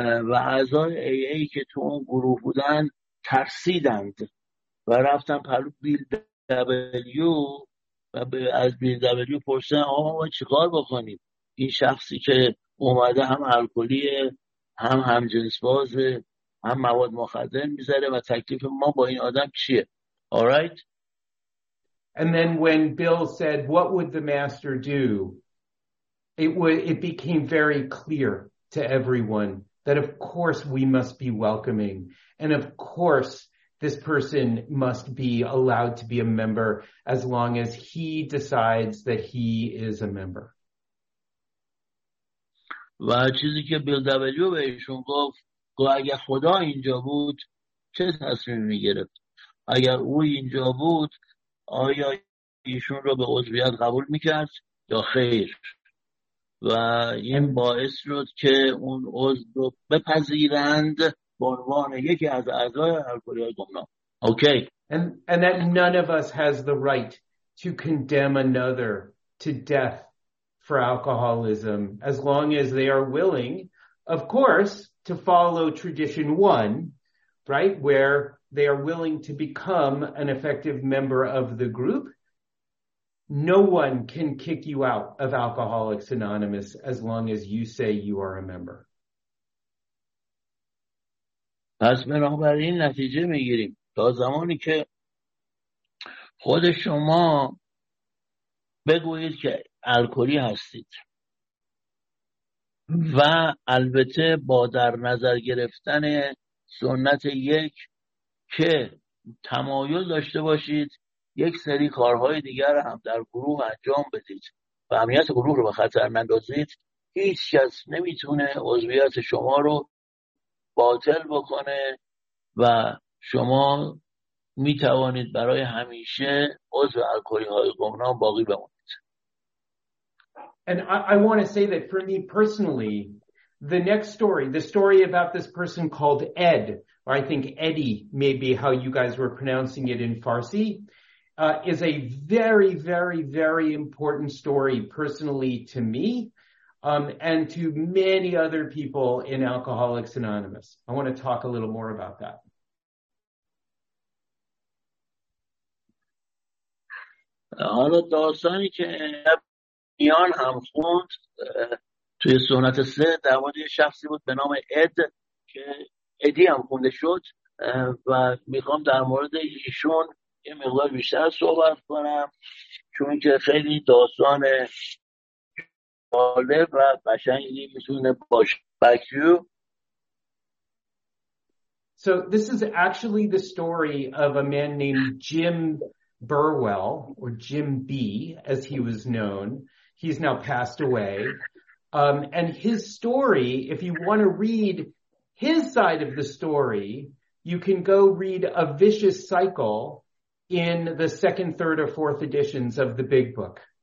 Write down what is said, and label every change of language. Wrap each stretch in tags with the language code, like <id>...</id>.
<fa>و اعضای AA که تو اون گروه بودن ترسیدند و رفتن پلو بیل دبلیو و از بیل دبلیو پرسیدن آقا ما چیکار بکنیم، این شخصی که اومده هم الکلیه هم همجنس بازه هم مواد مخدر میذاره و تکلیف ما با این آدم چیه.</fa> <en>Alright. And then when Bill said what would the master do, it became very clear to everyone that of course we must be welcoming and of course this person must be allowed to be a member as long as he decides that he is a member.</en> <fa>و چیزی که بیل دبلیو بهشون گفت، اگر خدا اینجا بود چه تصمیمی می‌گرفت؟ اگر او اینجا بود آیا ایشون رو به عضویت قبول میکرد یا خیر، و این باعث شد که اون عضو رو بپذیرند به عنوان یکی از اعضای حلقه گمنام.</fa> <en>Okay. And that none of us has the right to condemn another to death for alcoholism as long as they are willing, of course, to follow tradition one, right, where they are willing to become an effective member of the group. No one can kick you out of Alcoholics Anonymous as long as you say you are a member.</en> <fa>پس بنابراین نتیجه میگیریم تا زمانی که خود شما بگویید که الکلی هستید و البته با در نظر گرفتن سنت یک که تمایل داشته باشید یک سری کارهای دیگر هم در گروه انجام بدید و اهمیت گروه رو به خطر نندازید، هیچ کس نمیتونه عضویت شما رو باطل بکنه و شما میتوانید برای همیشه عضو الکلی‌های گمنام باقی بمونید.</fa> <en>And I want to say that for me personally, the next story, the story about this person called Ed, or I think Eddie may be how you guys were pronouncing it in Farsi, is a very, very, very important story personally to me and to many other people in Alcoholics Anonymous. I want to talk a little more about that.</en> <fa>حالا داستانی که میان هم خوند توی سنت سه در مورد شخصی بود به نام اد که ادی هم خونده شد و میخوام در مورد ایشون یه مقدار بیشتر صحبت کنم چون که خیلی داستان جالب و قشنگی میتونه باشه.</fa> <en>Back to you. So this is actually the story of a man named Jim Burwell, or Jim B, as he was known. He's now passed away. And his story, if you want to read his side of the story, you can go read A Vicious Cycle in the second, third, or fourth editions of the Big Book.</en>